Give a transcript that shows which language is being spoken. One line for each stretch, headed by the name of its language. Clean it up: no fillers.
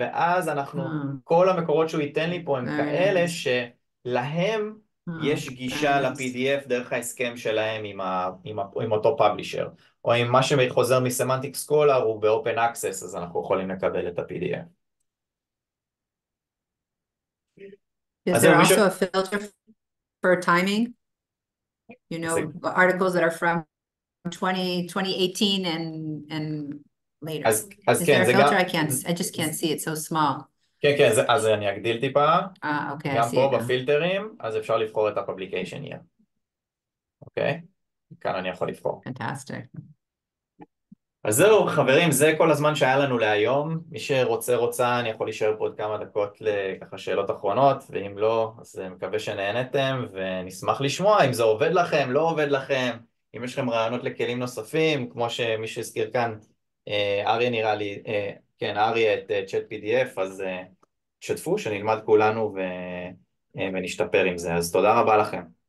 Hebrew: ואז אנחנו, כל המקורות שהוא ייתן לי פה הם כאלה שלהם יש גישה ל-PDF דרך ההסכם שלהם עם, עם אותו פאבלישר. או אם מה שחוזר מסמנטיק סקולר הוא באופן אקסס, אז אנחנו יכולים לקבל את ה-PDF.
English: Is there also a filter for timing? You know, articles that are from 2018 and later.
Hebrew: אז,
English: is there a filter? I just can't see it, so small.
Hebrew: כן, כן, אז אני אגדיל טיפה. אוקיי, גם פה בפילטרים, אז אפשר לבחור את ה-publication year. אוקיי? כאן אני יכול לבחור.
English: Fantastic.
Hebrew: אז זהו, חברים, זה כל הזמן שהיה לנו להיום. מי שרוצה, רוצה, אני יכול להישאר פה עוד כמה דקות לככה שאלות אחרונות, ואם לא, אז מקווה שנהנתם, ונשמח לשמוע אם זה עובד לכם, לא עובד לכם, אם יש לכם רעיונות לכלים נוספים, כמו שמי שהזכיר כאן, אריה נראה לי, כן, אריה את צ'אט PDF, אז שתפו, שנלמד כולנו ונשתפר עם זה. אז תודה רבה לכם.